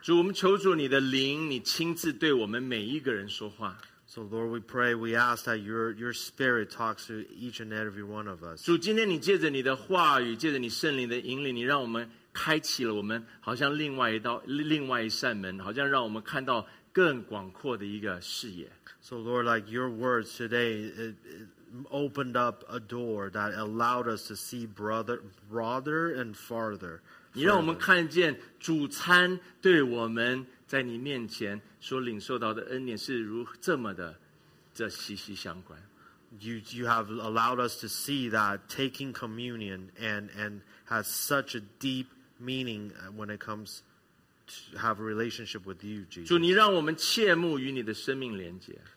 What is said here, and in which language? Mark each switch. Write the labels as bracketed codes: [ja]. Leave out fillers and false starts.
[zh] 主，我们求主你的灵，你亲自对我们每一个人说话。 [en] So Lord, we pray, we ask that your spirit talks to each and every one of us. [zh] 主，今天你借着你的话语，借着你圣灵的引领，你让我们开启了我们好像另外一扇门，好像让我们看到更广阔的一个视野。 [en] So Lord, like your words today, it opened up a door that allowed us to see broader and farther. [zh] 你让我们看见主餐对我们在你面前所领受到的恩典是如这么的息息相关。 [en] you have allowed us to see that taking communion and has such a deep meaning when it comes to have a relationship with you, Jesus. [zh] 主，你让我们切慕与你的生命连接。